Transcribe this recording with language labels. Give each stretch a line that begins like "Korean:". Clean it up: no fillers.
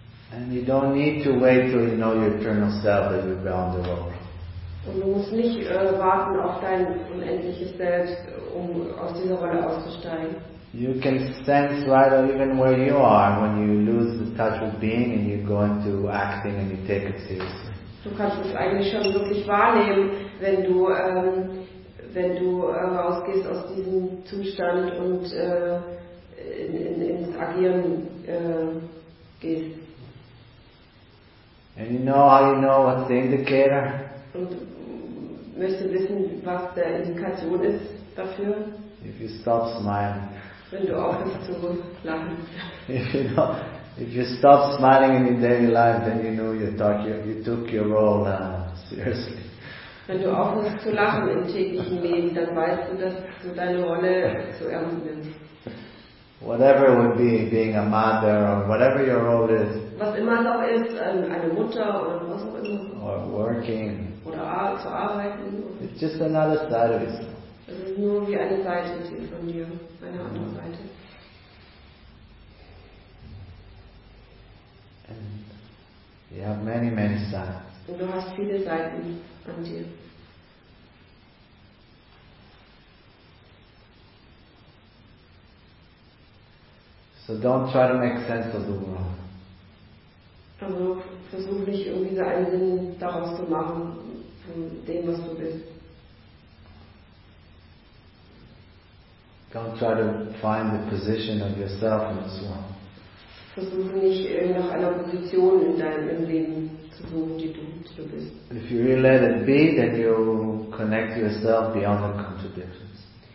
English: And you don't need to wait till you know your eternal self that you're beyond the role.
German: Und du musst nicht warten auf dein unendliches Selbst, um aus dieser Rolle auszusteigen.
English: You can sense right even where you are when you lose the touch with being and you go into acting and you take it seriously.
German: Du kannst es eigentlich schon wirklich wahrnehmen, wenn du rausgehst aus diesem Zustand und ins Agieren gehst.
English: And you know how you know what's the indicator?
German: Und möchtest du wissen, was der Indikation ist dafür?
English: If you stop smiling.
German: Wenn du aufhörst zu lachen.
English: If you stop smiling in your daily life, then you know you took your role seriously.
German: Wenn du aufhörst zu lachen im täglichen Leben, dann weißt du, dass du deine Rolle zu ernst nimmst.
English: Whatever it would be, being a mother or whatever your role is.
German: Was immer noch ist, eine Mutter oder was auch immer.
English: Or working.
German: Oder zu arbeiten.
English: It's just another side of it.
German: Es ist nur wie eine Seite von mir, eine andere Seite.
English: And you have many, many sides.
German: Und du hast viele Seiten an dir.
English: So don't try to make sense of the world.
German: Also versuch nicht irgendwie so einen Sinn daraus zu machen, von dem, was du bist.
English: Don't try to find the position of yourself in this world.
German: Versuche nicht nach einer Position in deinem Leben zu suchen, die du bist.
English: If you really let it be, then you connect yourself beyond the contradictions.